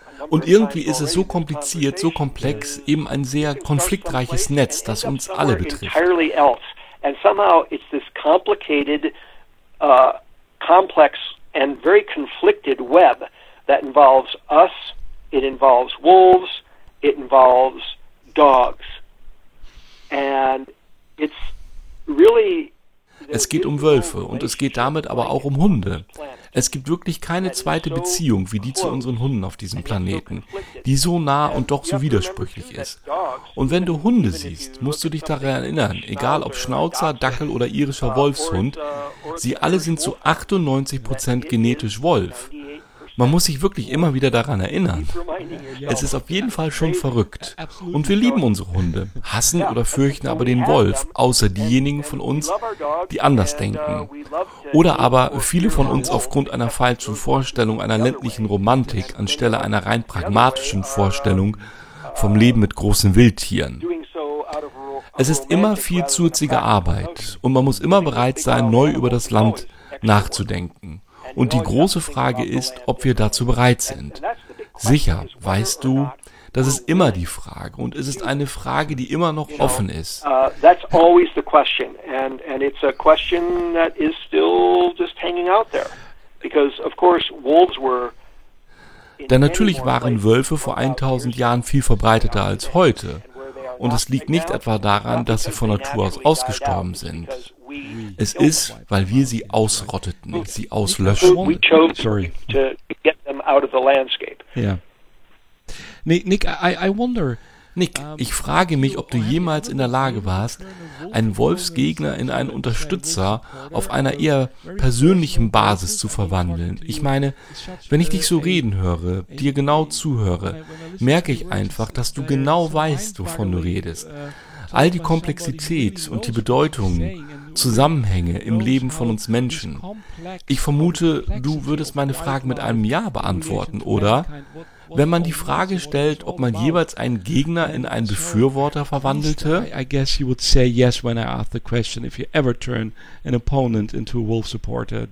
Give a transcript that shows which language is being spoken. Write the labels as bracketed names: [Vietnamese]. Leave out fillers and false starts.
[German] Und irgendwie ist es so kompliziert, so komplex, eben ein sehr konfliktreiches Netz, das uns alle betrifft. [English] And somehow it's this complicated, complex and very conflicted web that involves us, it involves wolves, it involves dogs. And it's really... [German] Es geht um Wölfe und es geht damit aber auch um Hunde. Es gibt wirklich keine zweite Beziehung wie die zu unseren Hunden auf diesem Planeten, die so nah und doch so widersprüchlich ist. Und wenn du Hunde siehst, musst du dich daran erinnern, egal ob Schnauzer, Dackel oder irischer Wolfshund, sie alle sind zu 98% genetisch Wolf. Man muss sich wirklich immer wieder daran erinnern. Es ist auf jeden Fall schon verrückt. Und wir lieben unsere Hunde, hassen oder fürchten aber den Wolf, außer diejenigen von uns, die anders denken. Oder aber viele von uns aufgrund einer falschen Vorstellung einer ländlichen Romantik anstelle einer rein pragmatischen Vorstellung vom Leben mit großen Wildtieren. Es ist immer viel zuziger Arbeit und man muss immer bereit sein, neu über das Land nachzudenken. Und die große Frage ist, ob wir dazu bereit sind. Sicher, weißt du, das ist immer die Frage und es ist eine Frage, die immer noch offen ist. [English] That's always the question and it's a question that is still just hanging out there because of course wolves were. [German] Denn natürlich waren Wölfe vor 1000 Jahren viel verbreiteter als heute und es liegt nicht etwa daran, dass sie von Natur aus ausgestorben sind. Es ist, weil wir sie ausrotteten, sie auslöschten. [English] Sorry. To get them out of the landscape. Yeah. Nick, I wonder. [German] Nick, ich frage mich, ob du jemals in der Lage warst, einen Wolfsgegner in einen Unterstützer auf einer eher persönlichen Basis zu verwandeln. Ich meine, wenn ich dich so reden höre, dir genau zuhöre, merke ich einfach, dass du genau weißt, wovon du redest. All die Komplexität und die Bedeutung, Zusammenhänge im Leben von uns Menschen. Ich vermute, du würdest meine Frage mit einem Ja beantworten, oder? Wenn man die Frage stellt, ob man jeweils einen Gegner in einen Befürworter verwandelte? [English] I guess you would say yes when I ask the question if you ever turn an opponent into a wolf supporter.